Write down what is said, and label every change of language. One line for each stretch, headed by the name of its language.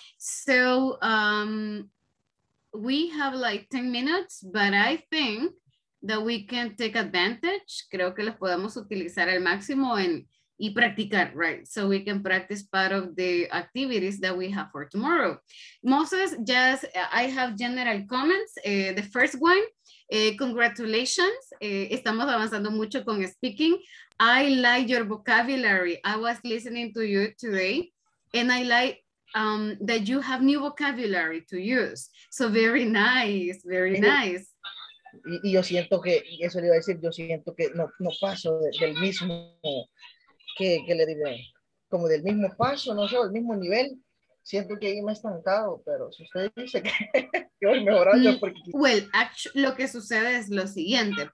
English: So we have like 10 minutes, but I think that we can take advantage.
Spanish: Creo que los podemos utilizar al máximo en y practicar, right?
English: So we can practice part of the activities that we have for tomorrow. Moses, just, I have general comments. The first one, congratulations.
Spanish: Estamos avanzando mucho con speaking.
English: I like your vocabulary. I was listening to you today and I like that you have new vocabulary to use. So very nice, very nice.
Spanish: Y yo siento que, eso le iba a decir, yo siento que no paso del mismo... ¿Qué le diré? Como del mismo paso, no sé, del mismo nivel. Siento que ahí me he estancado, pero si usted dice que voy mejorando porque...
English: Well, actually,
Spanish: lo que sucede es lo siguiente.